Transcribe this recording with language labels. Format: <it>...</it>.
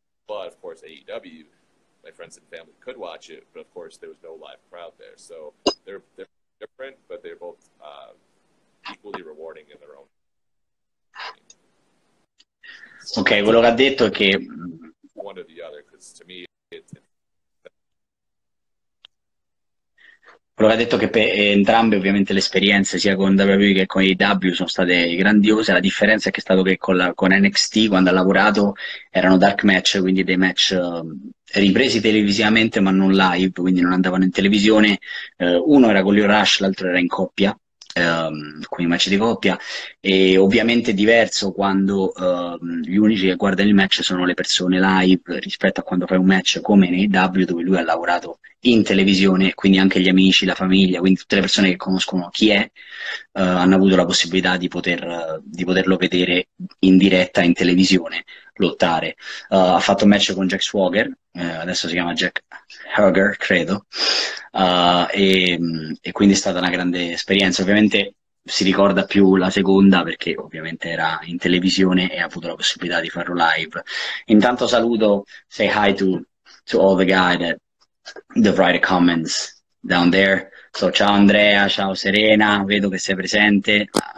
<en>But of course, AEW, my friends and family could watch it, but of course there was no live crowd there. So they're different, but they're both equally rewarding in their own.</en> <it>Okay, quello che ha detto è che</it> <en>one or the other, because to me it's</en> <it>quello che ha detto che per entrambe ovviamente le esperienze sia con WWE che con AEW sono state grandiose. La differenza è che è stato che con NXT quando ha lavorato erano dark match, quindi dei match ripresi televisivamente ma non live, quindi non andavano in televisione. Uno era con Leo Rush, l'altro era in coppia, quindi match di coppia. E ovviamente diverso quando gli unici che guardano il match sono le persone live, rispetto a quando fai un match come in AEW dove lui ha lavorato in televisione, quindi anche gli amici, la famiglia, quindi tutte le persone che conoscono chi è hanno avuto la possibilità di poterlo vedere in diretta in televisione lottare. Ha fatto un match con Jack Swagger, adesso si chiama Jack Hager, credo, e quindi è stata una grande esperienza. Ovviamente si ricorda più la seconda perché ovviamente era in televisione e ha avuto la possibilità di farlo live. Intanto saluto,</it> <en>say hi to all the guys that write the comments down there.</en> <it>So ciao Andrea, ciao Serena, vedo che sei presente.</it>